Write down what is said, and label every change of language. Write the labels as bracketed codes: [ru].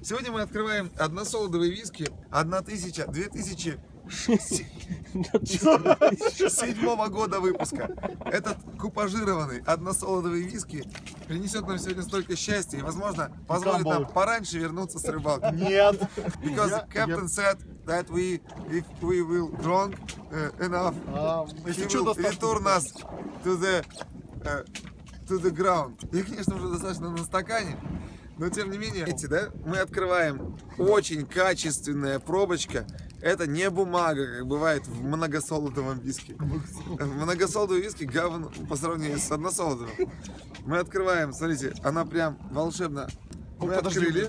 [ru] Сегодня мы открываем односолодовые виски 2007 года выпуска. Этот купажированный односолодовый виски принесет нам сегодня столько счастья и, возможно, позволит нам пораньше вернуться с рыбалки. Нет! [en] Because captain said that we, if we will drunk enough, he will return us to the ground. [ru] И, конечно, уже достаточно на стакане. Но тем не менее, видите, да? Мы открываем очень качественная пробочка. Это не бумага, как бывает в многосолодовом виске. Многосолодовый виски говно по сравнению с односолодовым. Мы открываем, смотрите, она прям волшебно. Мы открыли.